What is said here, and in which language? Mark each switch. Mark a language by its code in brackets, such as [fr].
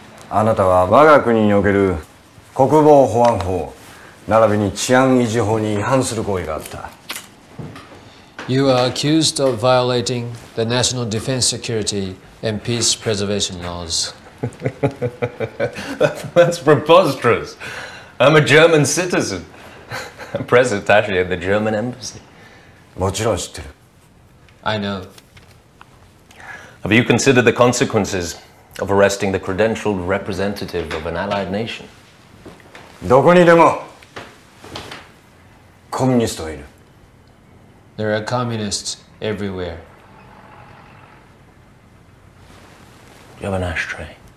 [ja] あなたは我が国における国防保安法並びに治安維持法に違反する行為があった。 [en] You are accused of violating the National Defense Security and Peace Preservation Laws. That's preposterous. I'm a German citizen. I'm press attaché at the German embassy. [ja] もちろん知ってる。 [en] I know. Have you considered the consequences of arresting the credentialed representative of an allied nation? [ja] どこにでもコミュニストがいる。 [en] There are communists everywhere. You have an ashtray.